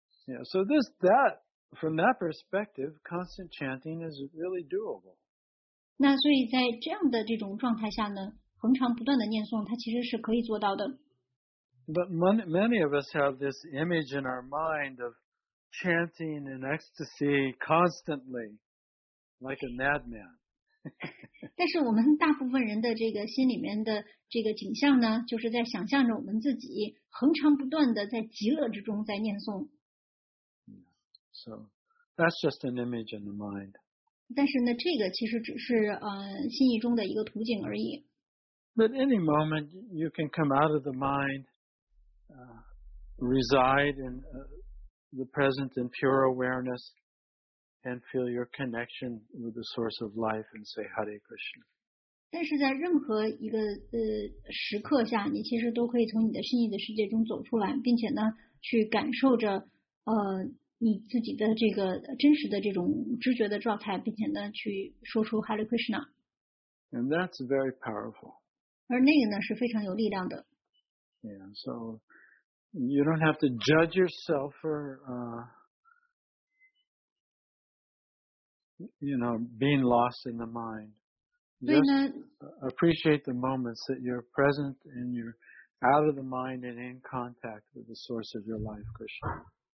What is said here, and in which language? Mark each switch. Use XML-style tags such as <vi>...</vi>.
<en>Yeah, so that from that perspective, constant chanting is really doable.</en> <zh>那所以在这样的这种状态下呢，恒常不断的念诵，它其实是可以做到的。</zh> <en>But many of us have this image in our mind of chanting in ecstasy constantly, like a madman.</en> <zh>但是我们大部分人的这个心里面的这个景象呢，就是在想象着我们自己恒常不断的在极乐之中在念诵。</zh> <en>So that's just an image in the mind.</en> <zh>但是呢，这个其实只是心意中的一个图景而已。</zh> <en>But any moment you can come out of the mind reside in the present and pure awareness and feel your connection with the source of life and say Hare Krishna.</en> <zh>但是在任何一个时刻下，你其实都可以从你的心意的世界中走出来，并且呢，去感受着你自己的这个真实的这种知觉的状态，并且呢，去说出 Hare Krishna。</zh> <en>And that's very powerful.</en> <zh>而那个呢，是非常有力量的。</zh> <en>Yeah, so you don't have to judge yourself for being lost in the mind. Just appreciate the moments that you're present and you're out of the mind and in contact with the source of your life, Krishna.</en>